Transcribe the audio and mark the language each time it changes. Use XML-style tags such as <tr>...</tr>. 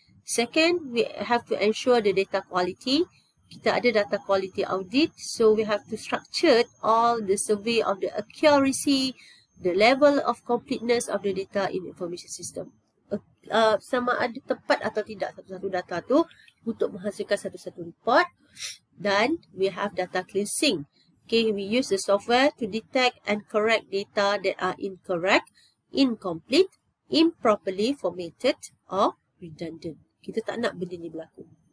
<en>Second, we have to ensure the data quality. Kita ada data quality audit, so we have to structure all the survey of the accuracy, the level of completeness of the data in information system.</en> <ms>Sama ada tepat atau tidak satu-satu data tu untuk menghasilkan satu-satu report.</ms> <en>Dan we have data cleansing. Okay, we use the software to detect and correct data that are incorrect, incomplete, improperly formatted or redundant.</en> <ms>Kita tak nak benda ni berlaku.</ms>